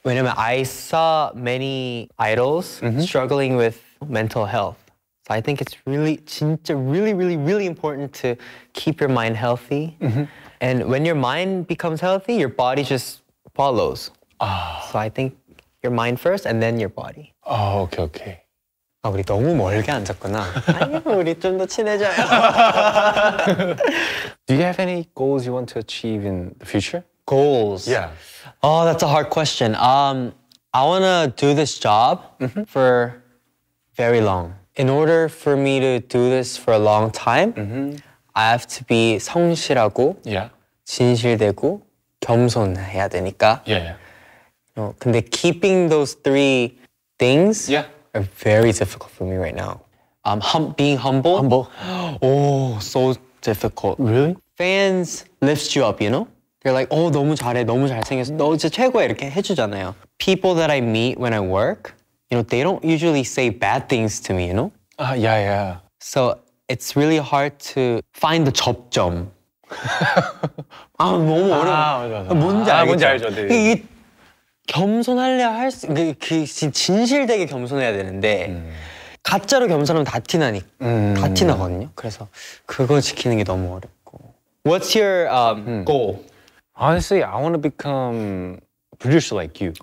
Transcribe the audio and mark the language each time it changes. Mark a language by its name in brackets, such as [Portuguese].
[Korean] 왜냐면 [English] I saw many idols struggling with mental health. So I think it's really, [Korean] 진짜 [English] really, really, really important to keep your mind healthy. And when your mind becomes healthy, your body just follows. So I think your mind first and then your body. Oh, okay. [Korean] 아, 우리 너무 멀게 앉았구나. 아니, 우리 좀 더 친해져요. [English] Do you have any goals you want to achieve in the future? Goals? Yeah. Oh, that's a hard question. I want to do this job for very long. In order for me to do this for a long time, I have to be [Korean] 성실하고 진실되고 겸손해야 되니까. [English] Yeah. No, [Korean] 근데 [English] keeping those three things are very difficult for me right now. Being humble. Humble. Oh, so difficult. Really? Fans lift you up, you know? They're like, oh, [Korean] 너무 잘해, 너무 잘생겼어, 너 진짜 최고야 이렇게 해주잖아요. [English] People that I meet when I work, you know, they don't usually say bad things to me, you know? Yeah. So it's really hard to find the [Korean] 접점. 아, 너무 어려워. 뭔지 알죠? 뭔지 알죠? 네. 이게 겸손할래야 할 수, 진실되게 겸손해야 되는데, 가짜로 겸손하면 다 티나니까. 다 티나거든요. 그래서 그거 지키는 게 너무 어렵고. [English] What's your goal? Honestly, I want to become a producer like you.